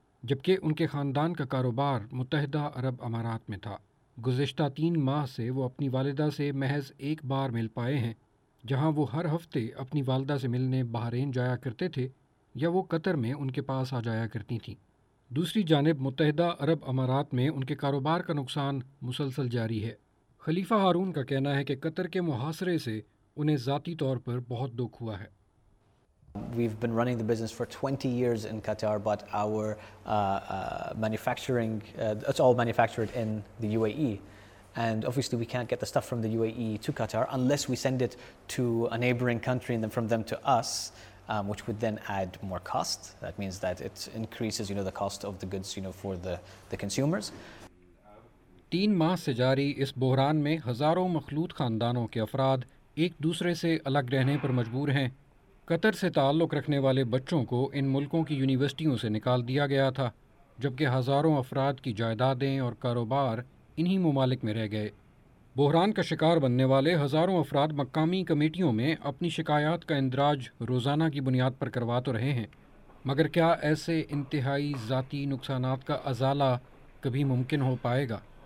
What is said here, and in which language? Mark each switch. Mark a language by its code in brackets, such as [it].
[ur] جبکہ ان کے خاندان کا کاروبار متحدہ عرب امارات میں تھا گزشتہ 3 ماہ سے وہ اپنی والدہ سے محض 1 بار مل پائے ہیں جہاں وہ ہر ہفتے اپنی والدہ سے ملنے بحرین جایا کرتے تھے یا وہ قطر میں ان کے پاس آ جایا کرتی تھیں دوسری جانب متحدہ عرب امارات میں ان کے کاروبار کا نقصان مسلسل جاری ہے خلیفہ ہارون کا کہنا ہے کہ قطر کے محاصرے سے انہیں ذاتی طور پر بہت دکھ ہوا ہے [en] We've been running the business for 20 years in Qatar, but our manufacturing, it's all manufactured in the UAE. And obviously we can't get the stuff from the UAE to Qatar unless we send it to a neighboring country and then from them to us, which would then add more cost. That means that it increases, you know, the cost of the goods, you know, for the consumers. [ur] 3 ماہ سے جاری اس بحران میں ہزاروں مخلوط خاندانوں کے افراد ایک دوسرے سے الگ رہنے پر مجبور ہیں قطر سے تعلق رکھنے والے بچوں کو ان ملکوں کی یونیورسٹیوں سے نکال دیا گیا تھا، جبکہ ہزاروں افراد کی جائیدادیں اور کاروبار انہی ممالک میں رہ گئے۔ بحران کا شکار بننے والے ہزاروں افراد مقامی کمیٹیوں میں اپنی شکایات کا اندراج روزانہ کی بنیاد پر کروا تو رہے ہیں، مگر کیا ایسے انتہائی ذاتی نقصانات کا ازالہ کبھی ممکن ہو پائے گا؟